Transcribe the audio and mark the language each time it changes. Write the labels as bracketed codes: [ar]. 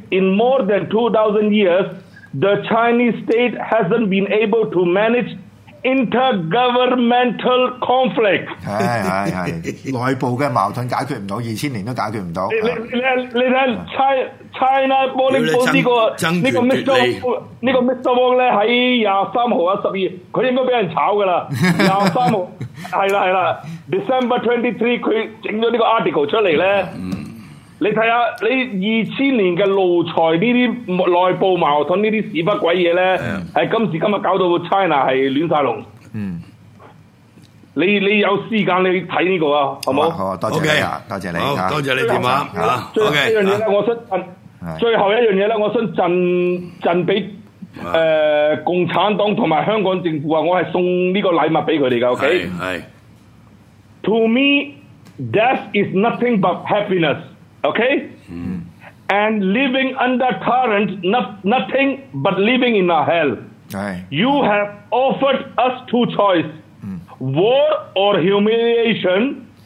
[en] In more than 2,000 years, the Chinese state hasn't been able to manage intergovernmental conflict. [yue] 是，內部的矛盾解決不了，2000年都解決不了。你看 China Morning Post 這個 Mr. Wong 在23號12他應該被人炒的了。 23號是啦 [en] December 23 [yue] 他整了這個 article 出來呢，你看看你2000年的奴才，這些內部矛盾，這些屎不鬼東西，是今時今日搞到 China 是亂曬龍。你有時間你看這個啊，好嗎？好，多謝你，多謝你電話。最後一件事我想贈給共產黨和香港政府，我是送這個禮物給他們的。 [en] OK， To me, death is nothing but happinessOkay? And living under current, nothing but living in a hell. You have offered us two choices, war or humiliation.